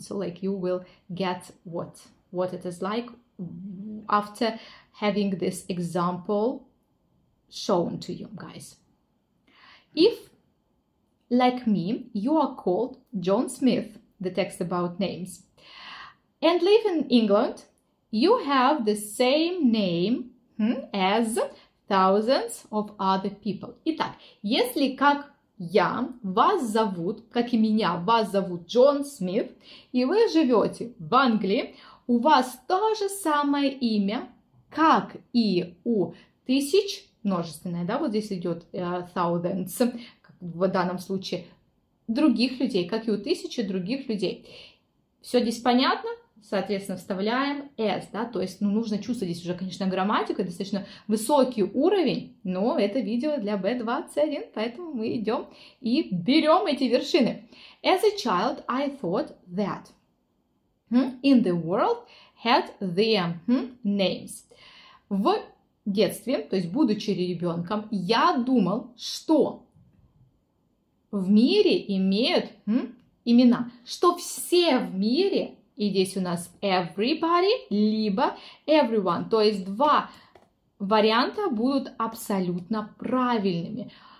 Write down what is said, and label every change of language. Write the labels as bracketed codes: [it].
[en] So, like, you will get what it is like after having this example shown to you, guys. If, like me, you are called John Smith, the text about names, and live in England, you have the same name as thousands of other people. [ru] Итак, если как я, вас зовут, как и меня, вас зовут Джон Смит, и вы живете в Англии, у вас то же самое имя, как и у тысяч, множественное, да, вот здесь идет thousands, в данном случае, других людей, как и у тысячи других людей. Все здесь понятно? Соответственно, вставляем S, да, то есть, ну, нужно чувствовать, здесь уже, конечно, грамматика, достаточно высокий уровень, но это видео для B21, поэтому мы идем и берем эти вершины. [en] As a child, I thought that in the world had their names. [ru] В детстве, то есть, будучи ребенком, я думал, что в мире имеют имена, что все в мире... И здесь у нас everybody, либо everyone. То есть два варианта будут абсолютно правильными.